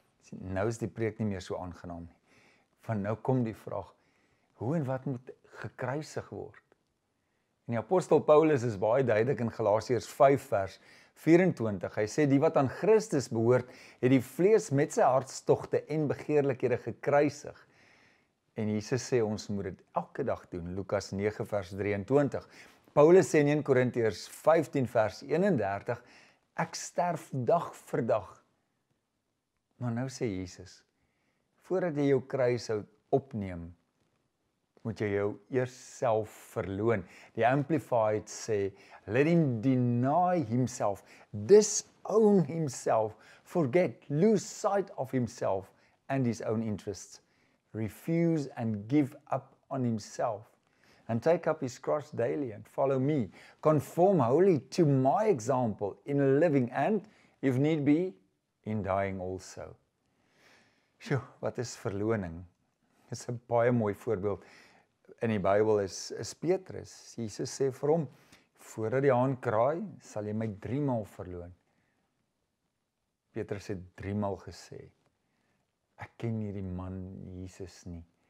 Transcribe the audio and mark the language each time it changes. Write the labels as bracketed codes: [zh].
[af] Nou is die preek nie meer so aangenaam nie. Van nou kom die vraag, hoe en wat moet gekruisig word. En die apostel Paulus is baie duidelik in Galasiërs 5 vers 24. Hy sê, die wat aan Christus behoort, het die vlees met sy hartstogte en begeerlikhede gekruisig. En Jesus sê, ons moet dit elke dag doen. Lukas 9 vers 23. Paulus sê in 1 Korintiërs 15 vers 31, ek sterf dag vir dag. Maar nou sê Jesus, voordat jy jou kruishout opneem, moet jy jou eers self verloon. [en] Die Amplified sê, let him deny himself, disown himself, forget, lose sight of himself and his own interests, refuse and give up on himself, and take up his cross daily and follow me, conform wholly to my example in living and, if need be, in dying also. [af] Sjoe, wat is verloning? Dit is 'n baie mooi voorbeeld. In die Bybel is Petrus, Jesus sê vir hom, voordat die haan kraai, sal jy my 3 maal verloon. Petrus het 3 maal gesê, ek ken hierdie man Jesus nie.